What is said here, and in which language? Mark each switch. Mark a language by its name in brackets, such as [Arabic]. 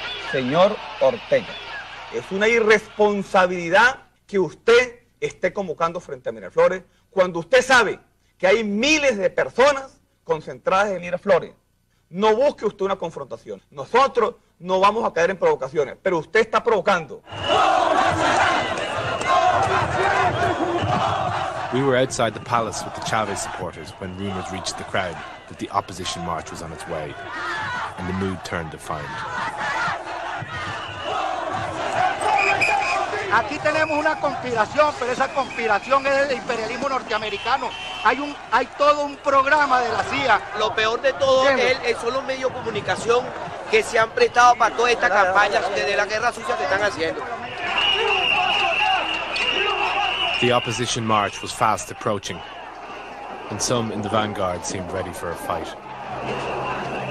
[Spanish] Señor Ortega, es una irresponsabilidad que usted esté convocando frente a Miraflores cuando usted sabe que hay miles de personas concentradas en Miraflores. No busque usted una confrontación. Nosotros no vamos a caer en provocaciones, pero usted está provocando. [English] We were outside the palace with the Chavez supporters when rumors reached the crowd that the opposition march was on its way, and the mood turned defiant. [Spanish] Aquí tenemos una conspiración, pero esa conspiración es del imperialismo norteamericano. Hay todo un programa de la CIA. Lo peor de todo es son los medios de comunicación que se han prestado para toda esta campaña de la guerra sucia que están haciendo. [English] The opposition march was fast approaching, and some in the vanguard seemed ready for a fight.